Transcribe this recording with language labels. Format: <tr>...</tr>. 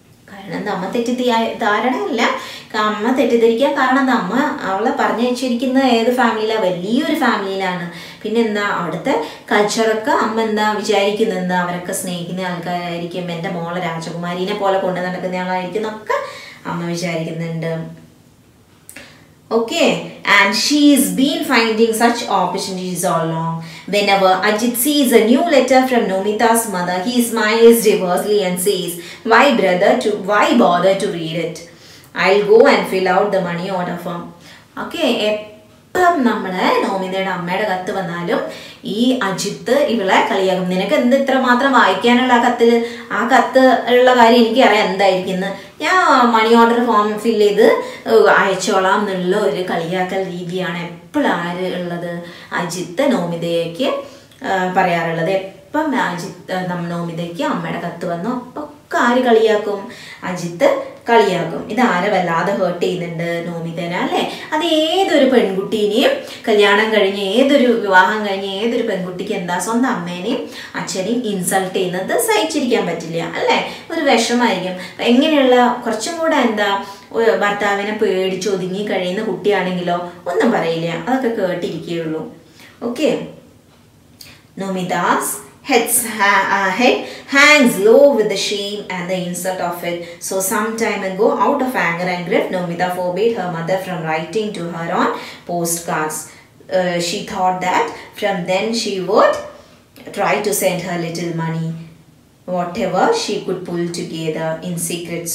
<ml>കാരണം എന്താ, അമ്മ തെറ്റിദ്ധാരണ അല്ല, അമ്മ തെറ്റിദ്ധരിക്കാൻ കാരണം എന്താ, അമ്മ അവളെ പറഞ്ഞയച്ചിരിക്കുന്ന ഏത് ഫാമിലിയിലാ? വലിയൊരു ഫാമിലിയിലാണ്. പിന്നെന്താ അവിടുത്തെ കൾച്ചറൊക്കെ അമ്മ എന്താ വിചാരിക്കുന്നത്? എന്താ അവരൊക്കെ സ്നേഹിക്കുന്ന ആൾക്കാരായിരിക്കും, എൻ്റെ മോളെ രാജകുമാരീനെ പോലെ കൊണ്ട് നടക്കുന്ന ആളായിരിക്കും എന്നൊക്കെ അമ്മ വിചാരിക്കുന്നുണ്ട്.</ml> <en>Okay, and she has been finding such opportunities all along. Whenever Ajith sees a new letter from Nomita's mother, he smiles diversely and says, "Why brother, why bother to read it? I'll go and fill out the money order form."</en> <ml>Okay, എപ്പം നമ്മുടെ നോമിതയുടെ അമ്മയുടെ കത്ത് വന്നാലും ഈ അജിത്ത് ഇവളെ കളിയാക്കും. നിനക്ക് എന്ത് ഇത്ര മാത്രം വായിക്കാനുള്ള ആ കത്തിൽ, ആ കത്ത് ഉള്ള കാര്യം എനിക്കറിയാം എന്തായിരിക്കും എന്ന്. ഞാൻ മണി ഓർഡർ ഫോം ഫില്ല് ചെയ്ത് അയച്ചോളാം എന്നുള്ള ഒരു കളിയാക്കൽ രീതിയാണ് എപ്പോഴും ആര് ഉള്ളത്? അജിത്ത് നോമിതയ്ക്ക് പറയാറുള്ളത്. എപ്പം അജിത്ത് നോമിതയ്ക്ക് അമ്മയുടെ കത്ത് വന്നു, അപ്പൊക്കെ ആര് കളിയാക്കും? അജിത്ത് കളിയാക്കും. ഇത് ആരെ വല്ലാതെ ഹേർട്ട് ചെയ്യുന്നുണ്ട്? നോമിതനെ അല്ലേ. അത് ഏതൊരു പെൺകുട്ടീനെയും കല്യാണം കഴിഞ്ഞ് ഏതൊരു വിവാഹം കഴിഞ്ഞ് ഏതൊരു പെൺകുട്ടിക്ക് എന്താ സ്വന്തം അമ്മേനെയും അച്ഛനെയും ഇൻസൾട്ട് ചെയ്യുന്നത് സഹിച്ചിരിക്കാൻ പറ്റില്ല അല്ലേ. ഒരു വിഷമായിരിക്കും. എങ്ങനെയുള്ള കുറച്ചും കൂടെ എന്താ ഭർത്താവിനെ പേടിച്ചൊതുങ്ങി കഴിയുന്ന കുട്ടിയാണെങ്കിലോ ഒന്നും പറയില്ല, അതൊക്കെ കേട്ടിരിക്കുകയുള്ളൂ.</ml> <en>Okay, Nomitha's head hangs low with the shame and the insult of it. So some time ago, out of anger and grief, Nomitha forbade her mother from writing to her on postcards. She thought that from then she would try to send her little money, whatever she could pull together in secret.</en>